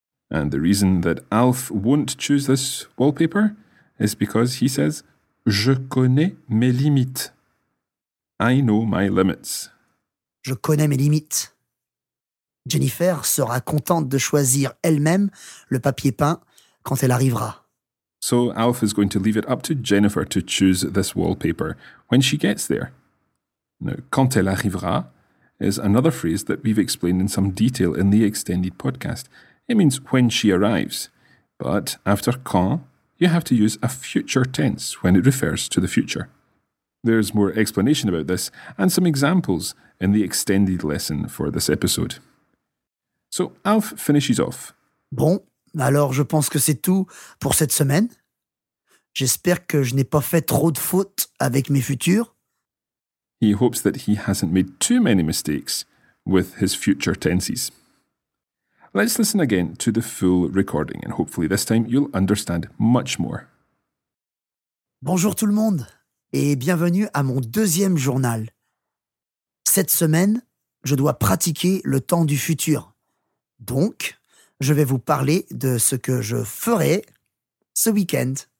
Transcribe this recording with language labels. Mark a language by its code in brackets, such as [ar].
[en] And the reason that Alf won't choose this wallpaper is because he says, [fr] je connais mes limites. [en] I know my limits. [fr] Je connais mes limites. Jennifer sera contente de choisir elle-même le papier peint quand elle arrivera. [en] So Alf is going to leave it up to Jennifer to choose this wallpaper when she gets there. Now, [fr] quand elle arrivera [en] is another phrase that we've explained in some detail in the extended podcast. It means when she arrives. But after quand, you have to use a future tense when it refers to the future. There's more explanation about this and some examples in the extended lesson for this episode. So Alf finishes off. [fr] Bon, alors je pense que c'est tout pour cette semaine. J'espère que je n'ai pas fait trop de fautes avec mes futurs. [en] He hopes that he hasn't made too many mistakes with his future tenses. Let's listen again to the full recording and hopefully this time you'll understand much more. [fr] Bonjour tout le monde et bienvenue à mon deuxième journal. Cette semaine, je dois pratiquer le temps du futur. Donc, je vais vous parler de ce que je ferai ce week-end.